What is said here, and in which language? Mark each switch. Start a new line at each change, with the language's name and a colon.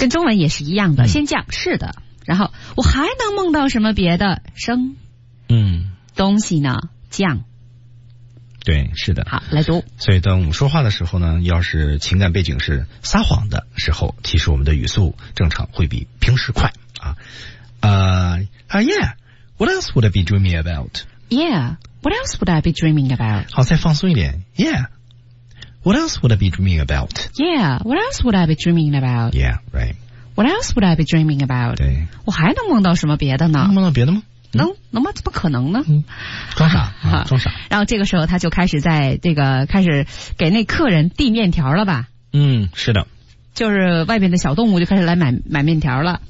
Chinese: 跟中文也是一样的，嗯、先降是的，然后我还能梦到什么别的升？嗯，东西呢降？对，是的。好，来读。所以当我们说话的时候呢，要是情感背景是撒谎的时候，其实我们的语速正常会比平时快啊。
English: Yeah，what else would I be dreaming about？Yeah，what else would I be dreaming about？
Chinese: 好，再放松一点。
English: Yeah，what else would I be dreaming about？Yeah，what else would I be dreaming about？Yeah，right。 What else would I be dreaming about？
Chinese: 对，我还能梦到什么别的呢？能梦到别的吗？能吗？怎么可能呢？嗯、装傻、装傻。然后这个时候，他就开始在这个开始给那客人递面条了吧？嗯，是的，就是外边的小动物就开始来买面条了。